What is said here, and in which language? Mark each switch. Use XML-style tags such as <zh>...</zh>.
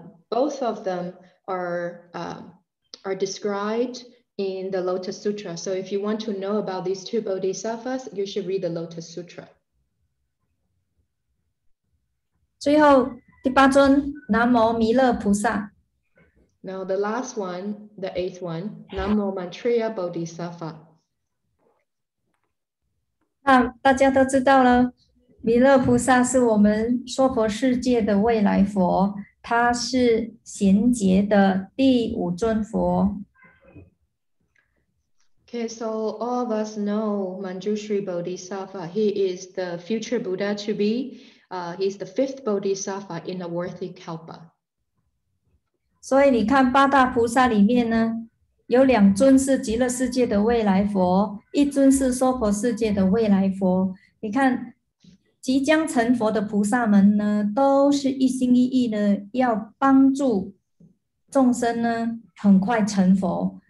<en>Both of them are described in the Lotus Sutra. So if you want to know about these two bodhisattvas, you should read the Lotus Sutra.</en> <zh>最后第八尊南无弥勒菩萨。</zh> <en>Now the last one, the eighth one, Namo Maitreya Bodhisattva.</en> <zh>那大家都知道了，弥勒菩萨是我们娑婆世界的未来佛。他是贤劫的第五尊佛。</zh> <en>Okay, so all of us know Manjushri Bodhisattva. He is the future Buddha to be. He's the fifth Bodhisattva in the worthy Kalpa.</en> <zh>所以你看八大菩萨里面呢，有两尊是极乐世界的未来佛，一尊是娑婆世界的未来佛。你看即将成佛的菩萨们呢，都是一心一意呢，要帮助众生呢，很快成佛。</zh>